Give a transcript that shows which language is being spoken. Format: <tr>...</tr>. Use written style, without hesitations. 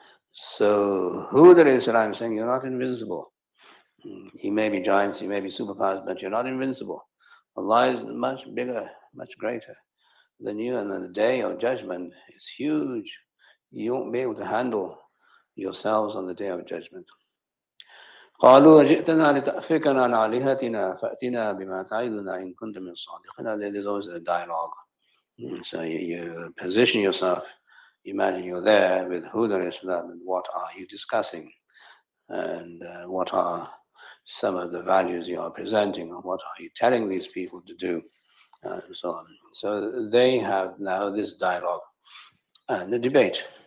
<en>So Hud alayhi salam is saying, you're not invincible. You may be giants, you may be superpowers, but you're not invincible. Allah is much bigger, much greater than you, and then the day of judgment is huge. You won't be able to handle yourselves on the day of judgment.</en> <ar>قالوا جئتنا لتأفكنا عن آلهتنا فأتنا بما تعدنا إن كنت من الصادقين.</ar> <en>There's always a dialogue. So you position yourself. Imagine you're there with Hud alayhi salam, and what are you discussing? And what are some of the values you are presenting? And what are you telling these people to do? And so on. So they have now this dialogue and a debate.</en>